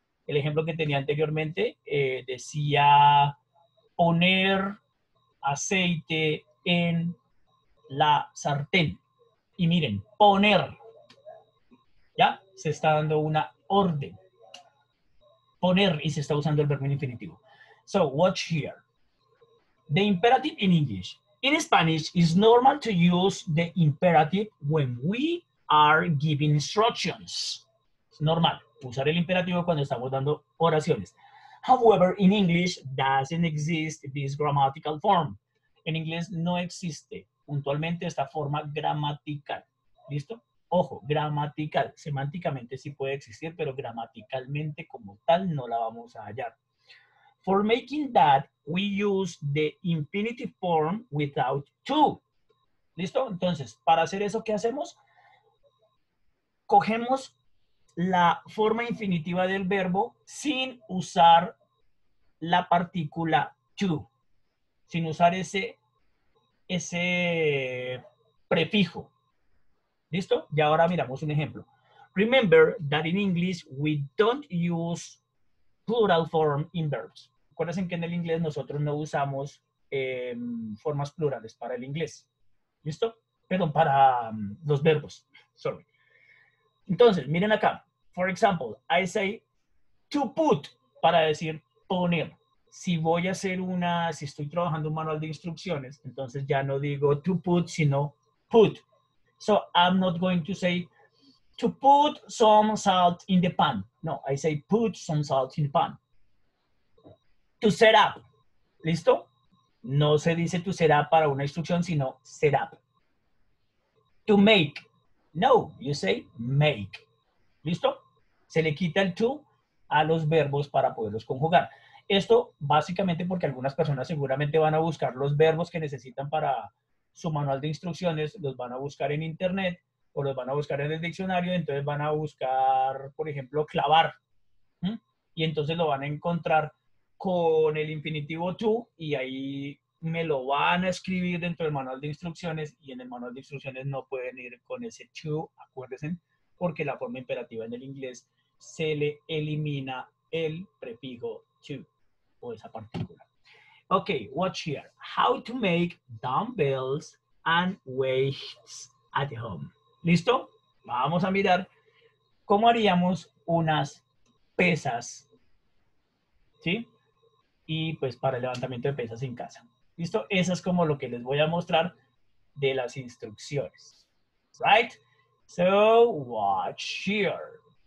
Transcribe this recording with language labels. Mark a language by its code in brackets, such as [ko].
[es] El ejemplo que tenía anteriormente decía poner aceite en la sartén. Y miren, poner. ¿Ya? Se está dando una orden. Poner y se está usando el verbo en infinitivo. [en] So, watch here. The imperative in English. In Spanish, it's normal to use the imperative when we are giving instructions. [es] Es normal usar el imperativo cuando estamos dando oraciones. [en] However, in English, doesn't exist this grammatical form. [es] En inglés no existe puntualmente esta forma gramatical. ¿Listo? Ojo, gramatical. Semánticamente sí puede existir, pero gramaticalmente como tal no la vamos a hallar. [en] For making that, we use the infinitive form without to. [es] ¿Listo? Entonces, para hacer eso, ¿qué hacemos? Cogemos la forma infinitiva del verbo sin usar la partícula to. Sin usar ese prefijo. ¿Listo? Y ahora miramos un ejemplo. [en] Remember that in English, we don't use plural form in verbs. [es] Acuérdense que en el inglés nosotros no usamos formas plurales para el inglés. ¿Listo? Perdón, para los verbos. [en] Sorry. [es] Entonces, miren acá. [en] For example, I say to put [es] para decir poner. Si voy a hacer una, si estoy trabajando un manual de instrucciones, entonces ya no digo to put, sino put. [en] So I'm not going to say to put some salt in the pan. No, I say put some salt in the pan. [es] To set up. ¿Listo? No se dice to set up para una instrucción, sino set up. [en] To make. No, you say make. [es] ¿Listo? se le quita el to a los verbos para poderlos conjugar. Esto básicamente porque algunas personas seguramente van a buscar los verbos que necesitan para su manual de instrucciones, los van a buscar en internet o los van a buscar en el diccionario, entonces van a buscar, por ejemplo, clavar. Y entonces lo van a encontrar con el infinitivo to y ahí me lo van a escribir dentro del manual de instrucciones y en el manual de instrucciones no pueden ir con ese to, acuérdense, porque la forma imperativa en el inglés se le elimina el prefijo to o esa partícula. [en] Ok, watch here. How to make dumbbells and weights at home. [es] ¿Listo? Vamos a mirar cómo haríamos unas pesas, ¿sí? Y pues para el levantamiento de pesas en casa. ¿Listo? Eso es como lo que les voy a mostrar de las instrucciones. [en] Right? So, watch here.